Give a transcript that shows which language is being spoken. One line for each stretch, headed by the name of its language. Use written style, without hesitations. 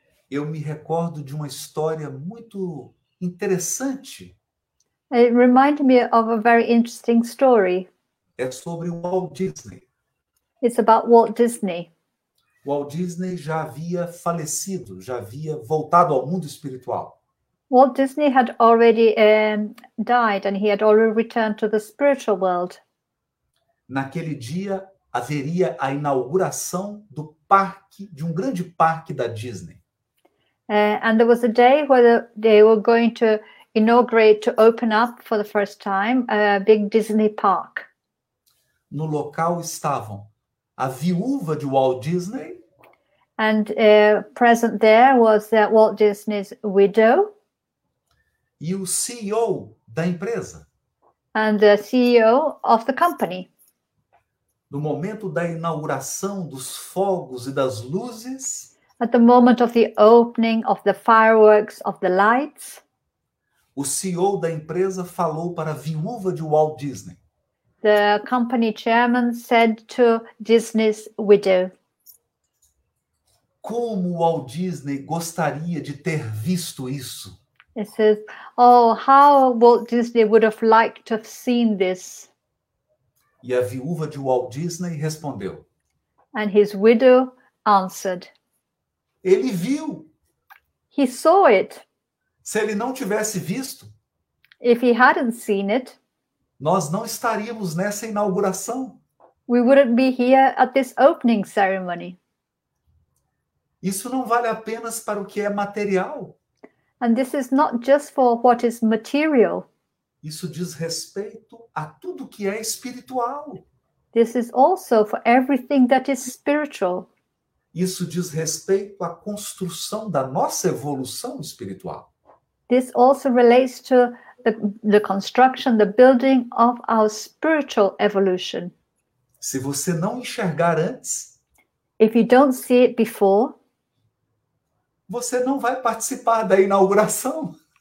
Portuguese: Eu me recordo de uma história muito interessante.
English: It reminded me of a very interesting story.
Portuguese: É sobre o Walt Disney.
English: It's about Walt Disney.
Portuguese: Walt Disney já havia falecido, já havia voltado ao mundo espiritual.
English: Walt Disney had already died and he had already returned to the spiritual world.
Portuguese: Naquele dia haveria a inauguração do parque, de um grande parque da Disney.
English: And there was a day where they were going to inaugurate, to open up for the first time, a big Disney park.
Portuguese: No local estavam a viúva de Walt Disney.
English: And present there was Walt Disney's widow.
Portuguese: E o CEO da empresa.
English: And the CEO of the company.
Portuguese: No momento da inauguração dos fogos e das luzes.
English: At the moment of the opening of the fireworks, of the lights.
Portuguese: O CEO da empresa falou para a viúva de Walt Disney.
English: The company chairman said to Disney's widow.
Portuguese: Como Walt Disney gostaria de ter visto isso?
English: It says, oh, how Walt Disney would have liked to have seen this.
Portuguese: E a viúva de Walt Disney respondeu.
English: And his widow answered.
Portuguese: Ele viu.
English: He saw it.
Portuguese: Se ele não tivesse visto.
English: If he hadn't seen it.
Portuguese: Nós não estaríamos nessa inauguração.
English: We wouldn't be here at this opening ceremony.
Portuguese: Isso não vale apenas para o que é material.
English: And this is not just for what is material.
Portuguese: Isso diz respeito a tudo que é espiritual.
English: This is also for everything that is spiritual.
Portuguese: Isso diz respeito à construção da nossa evolução espiritual.
English: This also relates to the construction, the building of our spiritual evolution.
Portuguese: Se você não enxergar antes,
English: if you don't see it before,
Portuguese: você não vai participar da inauguração.